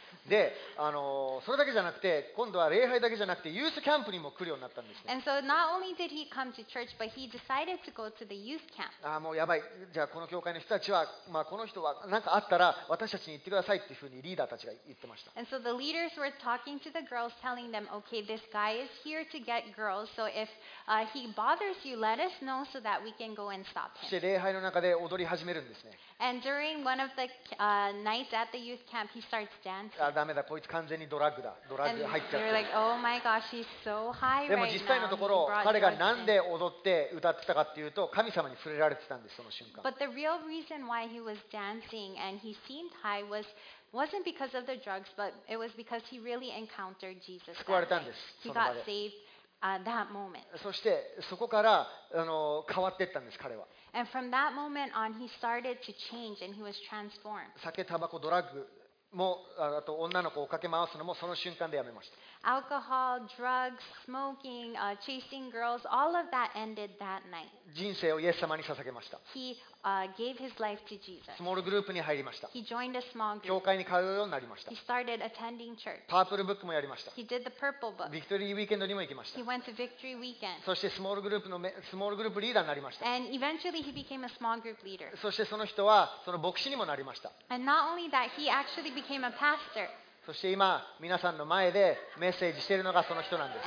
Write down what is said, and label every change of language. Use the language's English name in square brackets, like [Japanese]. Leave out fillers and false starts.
[Japanese] で、それだけじゃなくて、今度は礼拝だけじゃなくてユースキャンプにも来るようになったんですね。 [English] And so not only did he come to church, but he decided to go to the youth camp. [Japanese] あ、もうやばい。じゃあこの教会の人たちは、まあ、この人は何かあったら私たちに言ってくださいっていうふうにリーダーたちが言ってました。 [English] And so the leaders were talking to the girls, telling them, okay, this guy is here to get girls. So if he bothers you, let us know so that we can go and stop. [Japanese] そして礼拝の中で踊り始めるんですね。 [English] And during one of the nights at the youth camp, he starts dancing. [Japanese] あ、ダメだ、こいつ完全にドラッグだ。ドラッグ入っちゃった。 [English] And they're like, oh my gosh, he's so high right now. [Japanese] でも実際のところ、彼がなんで踊って歌ってたかっていうと、神様に触れられてたんです、その瞬間。 [English] But the real reason why he was dancing and he seemed high was wasn't because of the drugs, but it was because he really encountered Jesus. [Japanese] 救われたんです、その場で。 [English] He got saved at that moment. [Japanese] そしてそこから変わっていったんです、彼は。 [English] And from that moment on, he started to change, and he was transformed. [Japanese] 酒、タバコ、ドラッグも、あと女の子をかけ回すのもその瞬間でやめました。 [English] Alcohol, drugs, smoking, chasing girls, all of that ended that night. [Japanese] 人生をイエス様に捧げました。 [English] He gave his life to Jesus. [Japanese] スモールグループに入りました。 [English] He joined a small group. [Japanese] 教会に通うようになりました。 [English] He started attending church. [Japanese] パープルブックもやりました。 [English] He did the purple book. [Japanese] ビクトリーウィーケンドにも行きました。 [English] He went to victory weekend. [Japanese] そしてスモールグループリーダーになりました。 [English] And eventually he became a small group leader. [Japanese] そしてその人はその牧師にもなりました。 [English] And not only that, he actually became a pastor. [Japanese] そして今皆さんの前でメッセージしているのがその人なんです。